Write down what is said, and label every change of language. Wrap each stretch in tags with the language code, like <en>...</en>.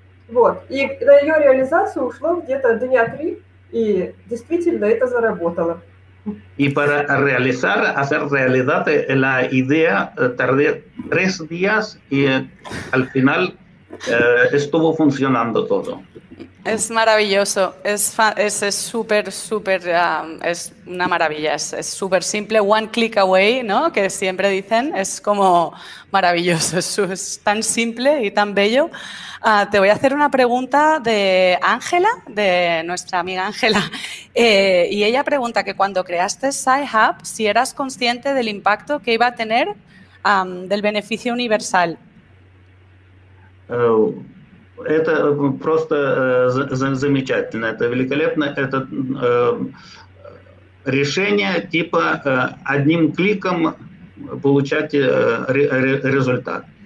<ru>Вот, и на ее реализацию ушло где-то дня три, и действительно это заработало.</ru> <es>Y para hacer realidad la idea, tardé 3 días y al final estuvo funcionando todo. Es maravilloso, es súper, súper, es una maravilla, es súper simple,</es> <en>one click away,</en> <es>¿no? Que siempre dicen, es como maravilloso, es tan simple y tan bello. Te voy a hacer una pregunta de Ángela, de nuestra amiga Ángela, y ella pregunta que cuando creaste Sci-Hub, si eras consciente del impacto que iba a tener del beneficio universal.</es> <ru>Это просто замечательно, это великолепно. Это решение типа одним кликом получать результат.</ru>